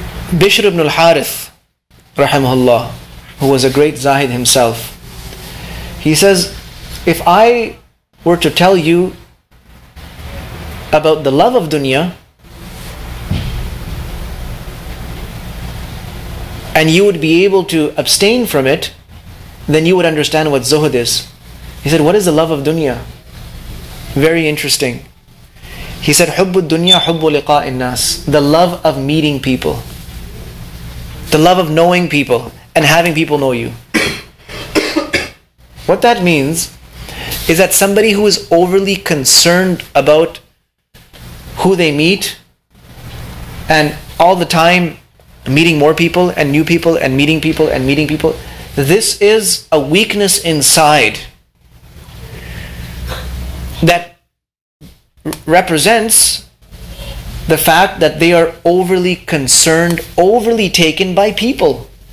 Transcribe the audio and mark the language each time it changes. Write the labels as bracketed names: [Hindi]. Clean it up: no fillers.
[English] Bishr ibn al-Harith, rahimahullah, who was a great zahid himself, he says, if I were to tell you about the love of dunya, and you would be able to abstain from it, then you would understand what zuhud is. He said, what is the love of dunya? Very interesting. [Arabic] He said, حُبُّ الدُّنْيَا حُبُّ لِقَاءِ النَّاسِ. [English] The love of meeting people. The love of knowing people and having people know you. What that means is that somebody who is overly concerned about who they meet and all the time meeting more people and new people and meeting people and meeting people, this is a weakness inside that represents the fact that they are overly concerned, overly taken by people.